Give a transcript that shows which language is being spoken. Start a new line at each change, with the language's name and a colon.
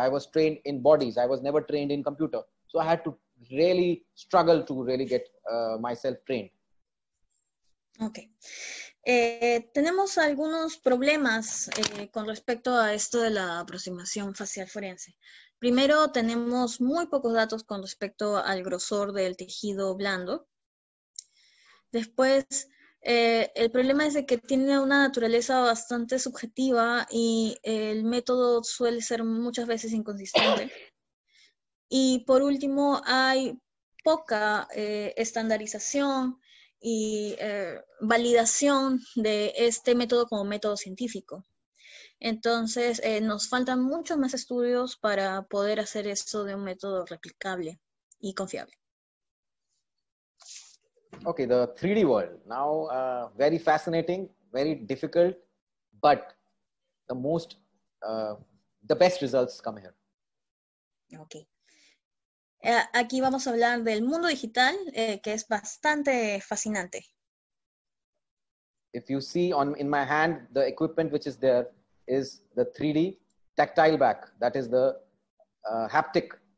English: I was trained in bodies. I was never trained in computer. So I had to really struggle to really get myself trained. Okay.
Spanish: Tenemos algunos problemas con respecto a esto de la aproximación facial forense. Primero, tenemos muy pocos datos con respecto al grosor del tejido blando. Después, el problema es de que tiene una naturaleza bastante subjetiva y el método suele ser muchas veces inconsistente. Y por último, hay poca estandarización y validación de este método como método científico. Entonces, nos faltan muchos más estudios para poder hacer esto de un método replicable y confiable.
English: Okay, the 3D world. Now, very fascinating, very difficult, but the most, the best results come here. Okay.
Spanish: Aquí vamos a hablar del mundo digital, que es bastante fascinante.
English: If you see in my hand, the equipment which is there is the 3D tactile back. That is the haptic,